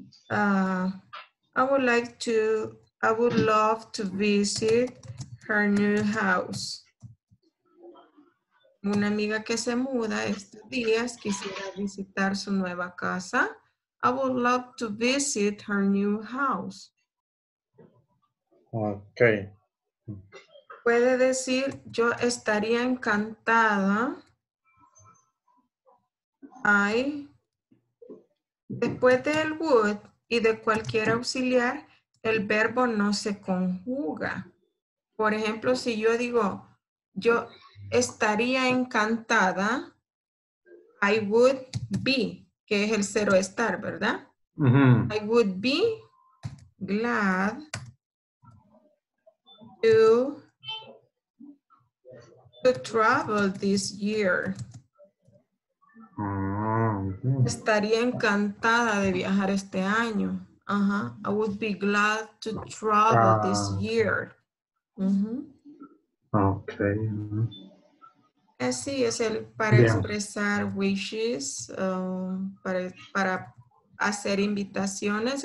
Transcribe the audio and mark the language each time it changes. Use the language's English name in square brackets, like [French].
[English] I would love to visit her new house. [Spanish] Una amiga que se muda estos días quisiera visitar su nueva casa. [English] I would love to visit her new house. Okay. [Spanish] Puede decir, yo estaría encantada. Después del would y de cualquier auxiliar, el verbo no se conjuga. Por ejemplo, si yo digo, yo estaría encantada, [English] I would be, [Spanish] que es el cero estar, ¿verdad? Mm-hmm. [English] I would be glad to travel this year. Mm-hmm. [Spanish] Estaría encantada de viajar este año. Uh-huh. [English] I would be glad to travel this year. Okay. [Spanish] Sí, es el para expresar wishes, para hacer invitaciones.